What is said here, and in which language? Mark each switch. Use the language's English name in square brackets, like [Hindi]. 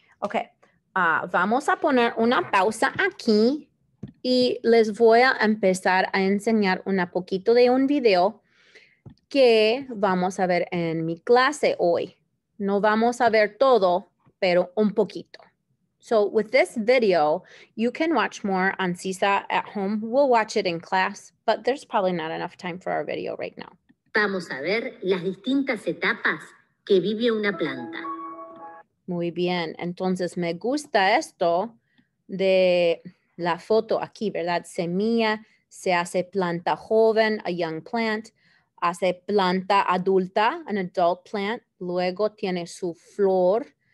[Spanish] Okay, vamos a poner una pausa aquí y les voy a empezar a enseñar un poquito de un video que vamos a ver en mi clase hoy. No vamos a ver todo, pero un poquito. [English] So with this video, you can watch more on CISA at home. We'll watch it in class, but there's probably not enough time for our video right now. [Spanish] Vamos a ver las distintas etapas que vive una planta. Muy bien. Entonces, me gusta esto de la foto aquí, ¿verdad? Semilla, se hace planta joven, [English] a young plant. [Spanish] Hace planta adulta, [English] an adult plant. [Spanish] Luego tiene su flor.